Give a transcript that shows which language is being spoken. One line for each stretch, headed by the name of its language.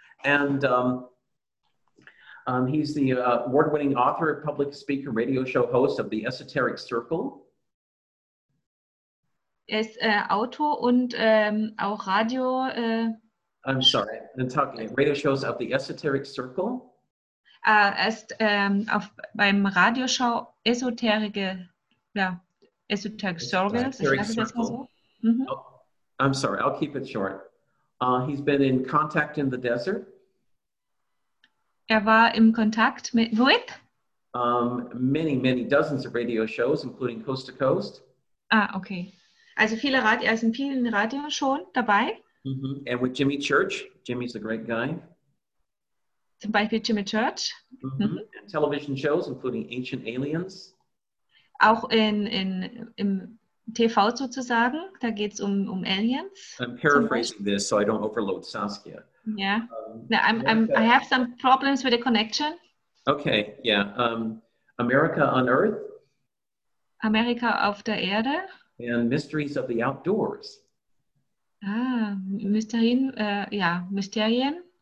English: And he's the award-winning author, public speaker, radio show host of the Esoteric Circle.
German: Er ist Autor und auch Radio...
English: I'm sorry, I'm talking radio shows of the Esoteric Circle.
German: Er ist beim Radioshow Esoterische, ja, Esoteric Circle.
English: Esoteric Circle.
German: Das so.
English: Mm-hmm. Oh, I'm sorry, I'll keep it short. He's been in contact in the desert.
German: Er war im Kontakt mit... With?
English: Many, many dozens of radio shows, including Coast to Coast.
German: Ah, okay. Also viele Radio, also in vielen Radios schon dabei.
English: Mm-hmm. And with Jimmy Church. Jimmy's a great guy.
German: Zum Beispiel Jimmy Church.
English: Mm-hmm. Mm-hmm. Television shows, including Ancient Aliens.
German: Auch im TV sozusagen, da geht es um Aliens.
English: I'm paraphrasing this, so I don't overload Saskia. Yeah. I have some problems with the connection. Okay, yeah. America on Earth.
German: America auf der Erde.
English: And Mysteries of the Outdoors.
German: Ah, Mysterien, ja, Mysterien.